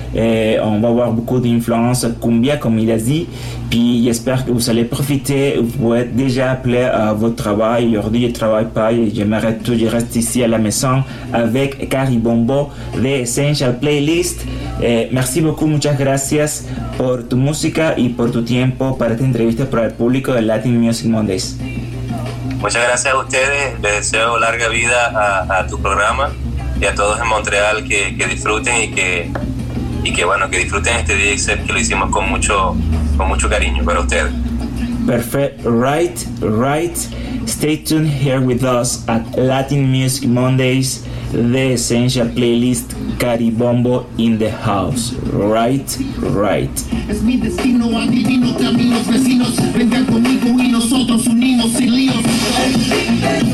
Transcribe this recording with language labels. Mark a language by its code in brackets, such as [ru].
[fr] Et on va avoir beaucoup d'influence cumbia, comme il a dit. Puis j'espère que vous allez profiter. Vous êtes déjà appelé à votre travail. Aujourd'hui, je ne travaille pas. J'aimerais tout. Je reste ici à la maison avec Caribombo de Essential Playlist. Et merci beaucoup. [es] Muchas gracias por tu música y por tu tiempo para esta entrevista para el público de Latin Music Mondays. Muchas gracias a ustedes. Les deseo larga vida a tu programa y a todos en Montreal que disfruten y que bueno, que disfruten este día, que lo hicimos con mucho cariño para ustedes. [en] Perfect, right. Stay tuned here with us at Latin Music Mondays, the Essential Playlist, Caribombo in the house. Right. [es] Es mi destino, adivino que a mí los vecinos vengan conmigo y nosotros unimos sin líos.